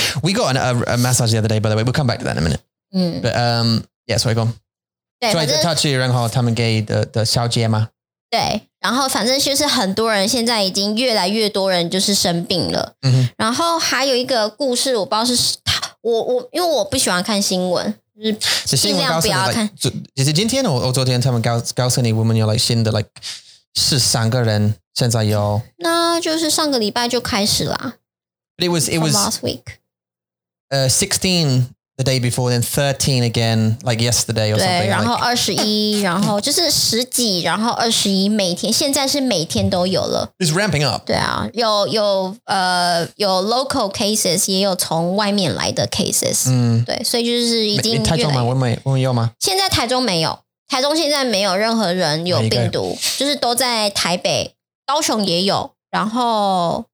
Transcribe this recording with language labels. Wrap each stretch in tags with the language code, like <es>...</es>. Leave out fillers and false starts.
<en>We got a massage the other day, by the way. We'll come back to that in a minute. But yeah, sorry, go on.</en> <zh>对，所以他去，然后他们给的小姐吗？对，然后反正就是很多人现在已经越来越多人就是生病了。嗯，然后还有一个故事，我不知道是我因为我不喜欢看新闻，就是尽量不要看。就是今天我昨天他们告诉你，我们有 like 新的 like 是三个人现在有，那就是上个礼拜就开始啦。</zh> <en>But it was last week. 16 the day before, then 13 again like yesterday or something.</en> <zh>对，然后21 然后就是十几，然后21每天，现在是每天都有了。</zh> <en>It's ramping up.</en> <zh>对啊，有 local cases， 也有从外面来的 cases。嗯，对，所以就是已经越来越。台中吗？我们有吗？现在台中没有，台中现在没有任何人有病毒，就是都在台北，高雄也有，然后。</zh>